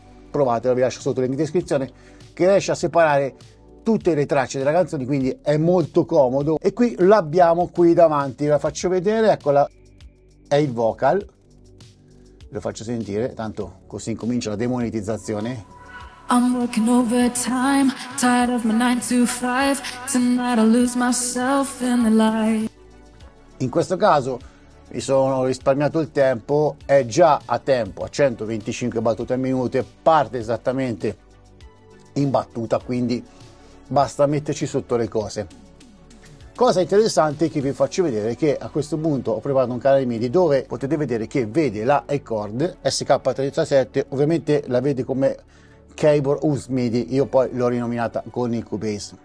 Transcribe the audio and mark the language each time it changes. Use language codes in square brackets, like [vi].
[it] Provatelo, vi lascio sotto in descrizione, che riesce a separare tutte le tracce della canzone, quindi è molto comodo. E qui l'abbiamo qui davanti, la faccio vedere, eccola, è il vocal, lo faccio sentire, tanto così incomincia la demonetizzazione. [en] I'm working overtime, tired of my 9 to 5, tonight I lose myself in the light. [it] In questo caso mi sono risparmiato il tempo, è già a tempo, a 125 battute al minuto, parte esattamente in battuta, quindi basta metterci sotto le cose. Cosa interessante che vi faccio vedere è che a questo punto ho preparato un canale MIDI dove potete vedere che vede la Aishord SK37, ovviamente la vede come Keyboard USB MIDI, io poi l'ho rinominata con il Cubase.